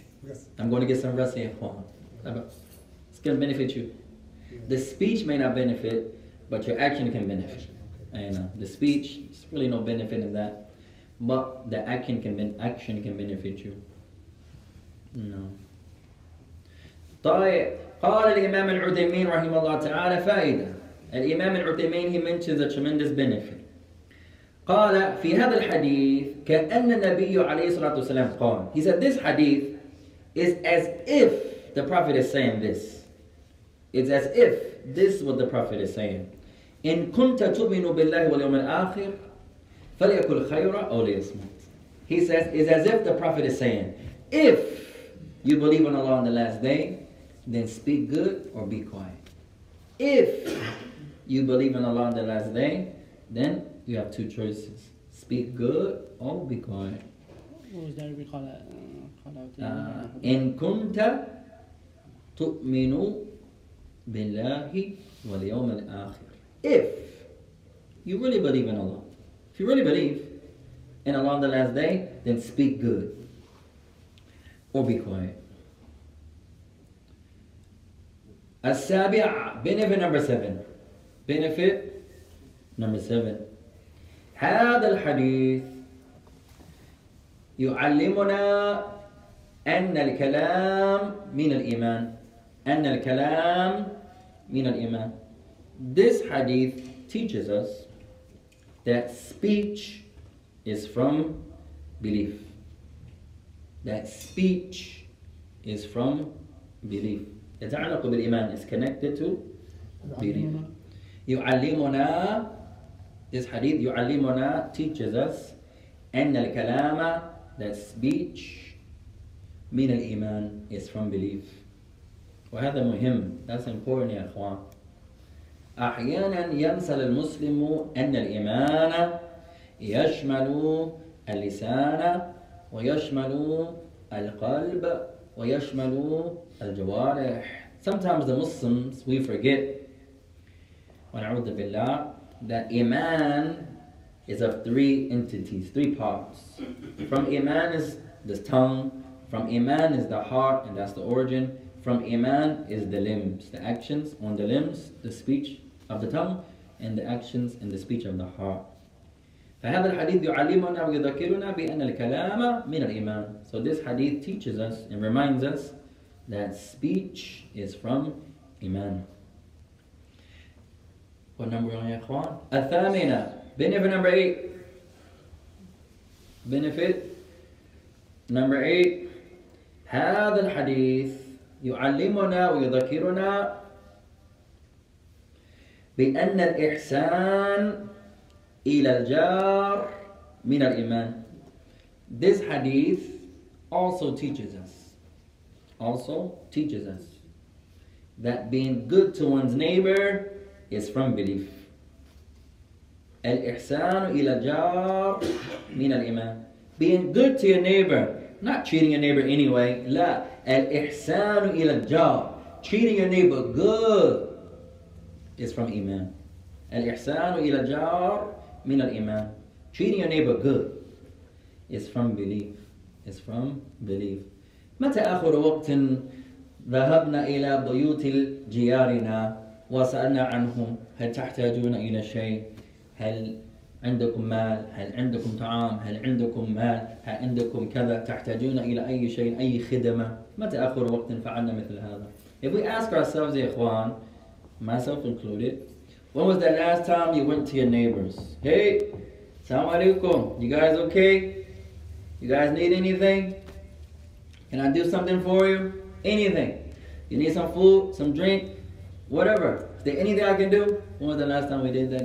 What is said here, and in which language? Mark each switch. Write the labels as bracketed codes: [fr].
[en] Yes. I'm going to get some rest here, Juan. It's going to benefit you. Yeah. The speech may not benefit, but your action can benefit. Okay. And the speech, there's really no benefit in that. But the action can benefit you. No. [ar] طيب قال الإمام العثيمين رحمه الله تعالى فائدة. [en] الإمام العثيمين he mentions a tremendous benefit. [ar] قال في هذا الحديث كأن النبي عليه الصلاة والسلام قال. [en] He said this hadith is as if the Prophet is saying this. It's as if this is what the Prophet is saying. [ar] إن كنت تؤمن بالله واليوم الآخر فَلْيَكُلْ خَيْرًا أَوْ لِيَسْمُتْ. [en] He says, it's as if the Prophet is saying, if you believe in Allah on the last day, then speak good or be quiet. If you believe in Allah on the last day, then you have two choices. Speak good or be quiet. [ar] إِن كُنْتَ تُؤْمِنُ بِاللَّهِ وَالْيَوْمِ الْآخِرِ. [en] If you really believe in Allah, if you really believe in Allah on the last day, then speak good or be quiet. As-sabi'a, benefit number seven. Benefit number seven. [ar] هذا الحديث يعلمنا أن الكلام من الإيمان. أن الكلام من الإيمان. [en] This hadith teaches us that speech is from belief. That speech is from belief. [ar] يتعلق بالإيمان. [en] It's connected to belief. [ar] يعلمنا. [en] This hadith [ar] يعلمنا [en] teaches us [ar] أن الكلام, [en] that speech [ar] من الإيمان, [en] is from belief. [ar] وهذا مهم. [en] That's important [ar] يا إخوان. أحيانا ينسى المسلم أن الإيمان يشمل اللسان ويشمل القلب ويشمل الجوارح. [en] Sometimes the Muslims we forget, [ar] ونعوذ بالله, [en] that إيمان is of three entities, three parts. From إيمان is the tongue, from إيمان is the heart, and that's the origin. From إيمان is the limbs, the actions on the limbs, the speech of the tongue, and the actions and the speech of the heart. [ar] فهذا الحديث يعلمنا ويذكرنا بأن الكلام من الإيمان. [en] So this hadith teaches us and reminds us that speech is from إيمان. What number are you on, [ar] يا إخوان؟ الثامنة. [en] Benefit number eight. Benefit number eight. [ar] هذا الحديث يعلمنا ويذكرنا بأن الإحسان إلى الجار من الإيمان. [en] This hadith also teaches us that being good to one's neighbor is from belief. [ar] الإحسان إلى الجار من الإيمان. [en] Being good to your neighbor, not treating your neighbor anyway. [ar] لا. الإحسان إلى الجار. [en] Treating your neighbor good is from إيمان. [ar] الإحسان إلى الجار من الإيمان. [en] Treating your neighbor good is from belief. It's from belief. [ar] متى آخر وقت ذهبنا إلى بيوت جيارنا وسألنا عنهم هل تحتاجون إلى شيء؟ هل عندكم مال؟ هل عندكم طعام؟ هل عندكم مال؟ هل عندكم كذا؟ تحتاجون إلى أي شيء؟ أي خدمة؟ متى آخر وقت فعلنا مثل هذا؟ [en] If we ask ourselves, [ar] يا إخوان, [en] myself included, when was the last time you went to your neighbors? Hey, [ar] السلام عليكم. [en] You guys okay? You guys need anything? Can I do something for you? Anything? You need some food, some drink, whatever. Is there anything I can do? When was the last time we did that?